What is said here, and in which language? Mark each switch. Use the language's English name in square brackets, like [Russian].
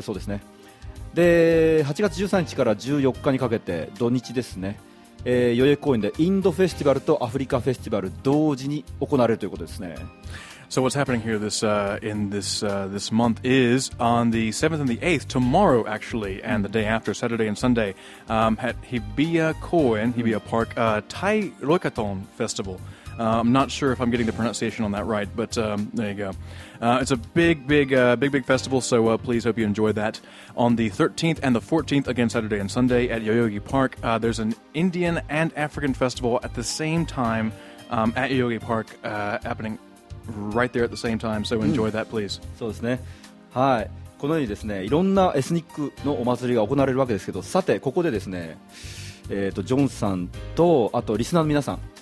[Japanese] これあのタイの大きなお祭り、東京でもやるそうですね。で、 8月 13日 から 14日 にかけて土日ですね、 代々木公園でインドフェスティバルとアフリカフェスティバル同時に行われるということですね。 [English] So what's happening here this month is on the 7th and the 8th, tomorrow actually, and the day after, Saturday and Sunday, at Hibiya Koen, Hibiya Park, Tai Roikaton Festival. I'm not sure if I'm getting the pronunciation on that right, but there you go. It's a big festival, so please hope you enjoy that. On the 13th and the 14th, again Saturday and Sunday, at Yoyogi Park, there's an Indian and African festival at the same time at Yoyogi Park, happening right there at the same time, so enjoy that, please. [Japanese] そうですね。はい。このようにですね、いろんなエスニックのお祭りが行われるわけですけど、さて、ここでですね、ジョンさんと、あとリスナーの皆さん、